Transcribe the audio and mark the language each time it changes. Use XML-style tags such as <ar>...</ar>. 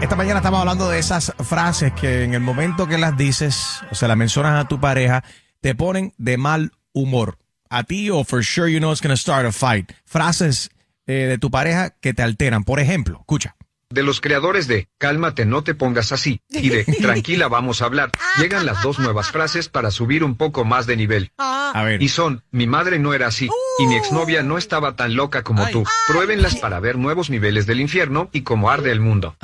<es>Esta mañana estamos hablando de esas frases que en el momento que las dices, o sea, las mencionas a tu pareja, te ponen de mal humor. A ti, o</es> <en>for sure you know it's going to start a fight.</en> <es>Frases de tu pareja que te alteran. Por ejemplo, escucha. De los creadores de cálmate, no te pongas así, y de tranquila, vamos a hablar, llegan las dos nuevas frases para subir un poco más de nivel. A ver. Y son, mi madre no era así, y mi exnovia no estaba tan loca como tú. Pruébenlas para ver nuevos niveles del infierno y cómo arde el mundo.</es>